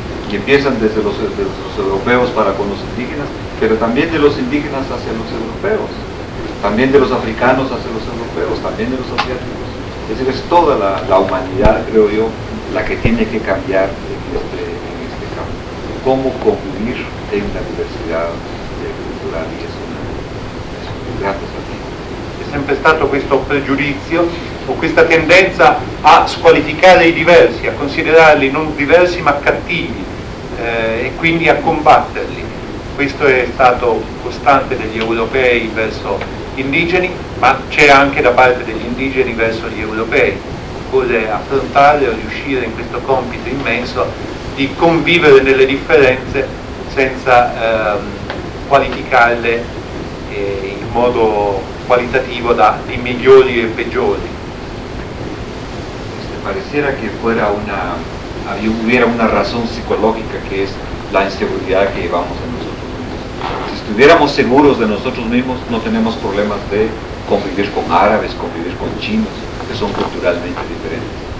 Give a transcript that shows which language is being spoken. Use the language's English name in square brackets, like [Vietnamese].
[Spanish] Y empiezan desde los europeos para con los indígenas, pero también de los indígenas hacia los europeos, también de los africanos hacia los europeos, también de los asiáticos. Es decir, es toda la humanidad, creo yo, la que tiene que cambiar en este campo. Cómo convivir en la diversidad cultural, y es un gran desafío. [Italian] È sempre stato questo pregiudizio o questa tendenza a squalificare i diversi, a considerarli non diversi ma cattivi, e quindi a combatterli. questo è stato costante degli europei verso gli indigeni, ma c'è anche da parte degli indigeni verso gli europei. Occorre affrontare o riuscire in questo compito immenso di convivere nelle differenze senza qualificarle in modo qualitativo da i migliori e peggiori. [Spanish] Se pareciera che fuera una, hubiera una razón psicológica que es la inseguridad que llevamos en nosotros mismos. Si estuviéramos seguros de nosotros mismos, no tenemos problemas de convivir con árabes, convivir con chinos, que son culturalmente diferentes.